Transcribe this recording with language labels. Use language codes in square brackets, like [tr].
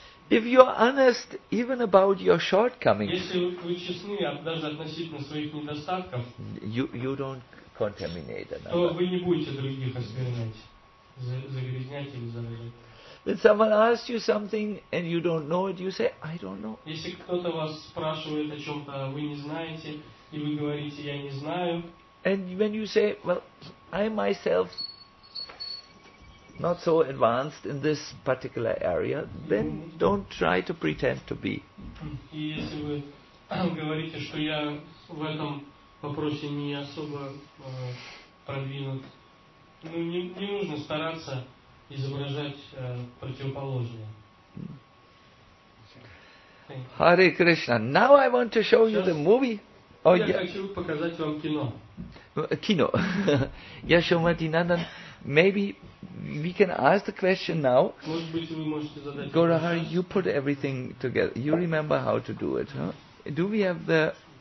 [en] If you are honest even about your shortcomings, you don't contaminate another. that someone asks you something and you don't know it, you say, I don't know. [ru] Если кто-то вас спрашивает о чём-то, вы не знаете, и вы говорите, я не знаю. [en] And when you say, well, I myself not so advanced in this particular area, then don't try to pretend to be. [ru] И если вы говорите, что я в этом вопросе не особо продвинут, ну не нужно стараться изображать противоположное. [en] Hare Krishna. Now I want to show you the movie. [ru] Oh, я хочу показать вам кино. Кино. [en] Яшомати Нандан, maybe we can ask the question now. [ru] Может быть, вы можете задать. [en] Гораха, you put everything together. You remember how to do it, huh? Do we have the?